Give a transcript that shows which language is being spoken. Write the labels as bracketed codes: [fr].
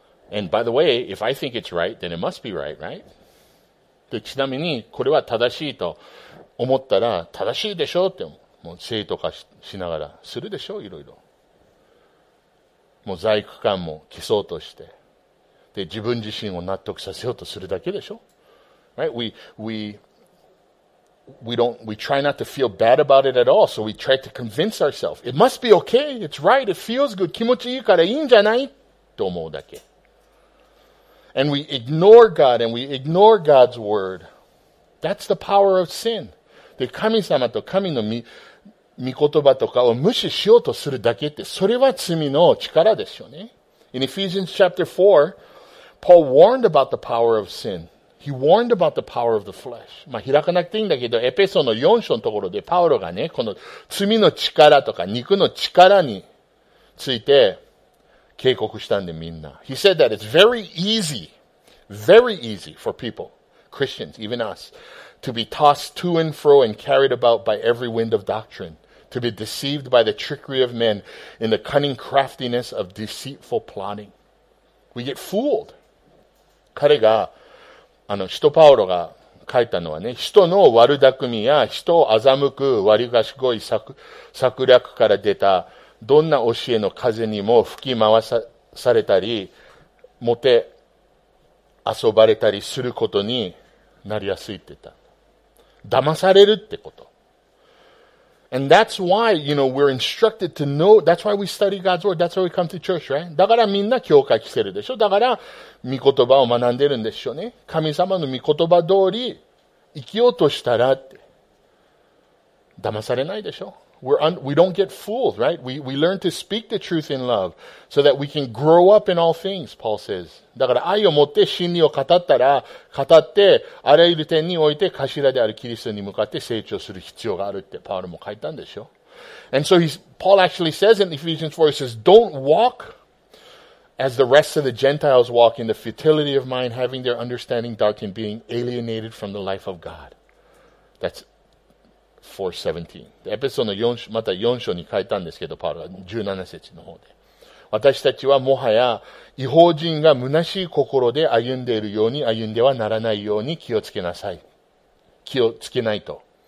[en] And by the way, if I think it's right, then it must be right, right? [ja] で、ちなみに、これは正しいと思ったら、正しいでしょって、もう正当化しながらするでしょ、いろいろ。もう罪悪感も消そうとして、で、自分自身を納得させようとするだけでしょ。 [en] Right? We try not to feel bad about it at all, so we try to convince ourselves. It must be okay, it's right, it feels good, [ja] 気持ちいいからいいんじゃないと思うだけ。 [en] And we ignore God and we ignore God's word. That's the power of sin. [ja] で、神様と神の御言葉とかを無視しようとするだけって、それは罪の力ですよね。 [en] In Ephesians chapter 4, Paul warned about the power of sin. He warned about the power of the flesh. [ja] まあ、開かなくていいんだけど、エペソの4章のところでパウロがね、この罪の力とか肉の力について警告したんで、みんな。 [en] He said that it's very easy for people, Christians, even us, to be tossed to and fro and carried about by every wind of doctrine, to be deceived by the trickery of men in the cunning craftiness of deceitful plotting. We get fooled. [ja] 彼が、あの、使徒パウロが書いたのはね、人の悪巧みや人を欺く悪がしごい策略から出たどんな教えの風にも吹き回されたり、もて遊ばれたりすることになりやすいって言った。騙されるってこと。 [en] And that's why, you know, we're instructed to know, that's why we study God's word, that's why we come to church, right? [ja] だからみんな教会来てるでしょ。だから、御言葉を学んでるんでしょうね。神様の御言葉通り生きようとしたらって。騙されないでしょ。 [en] We don't get fooled, right? We learn to speak the truth in love so that we can grow up in all things, Paul says. [ja] だから愛を持って真理を語ったら、語ってあらゆる点において頭であるキリストに向かって成長する必要があるってパウロも書いたんでしょ。 [en] And so Paul actually says in Ephesians 4, he says, don't walk as the rest of the Gentiles walk in the futility of mind, having their understanding darkened, being alienated from the life of God. That's 417. [ja] エペソの4章、また4章に書いたんですけど、パウロは17節の方で。私たちはもはや、異邦人が虚しい心で歩んでいるように歩んではならないように気をつけなさい。気をつけないと。